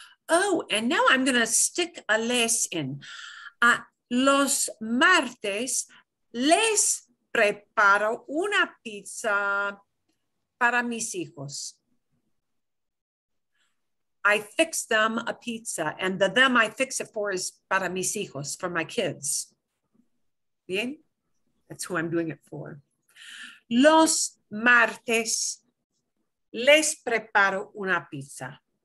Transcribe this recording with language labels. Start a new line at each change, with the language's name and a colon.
English: Oh, and now I'm gonna stick a les in.
Spanish: Los martes les preparo una pizza para mis hijos.
English: I fix them a pizza, and the them I fix it for is
Spanish: para mis hijos,
English: for my kids.
Spanish: Bien,
English: that's who I'm doing it for.
Spanish: Los martes les preparo una pizza.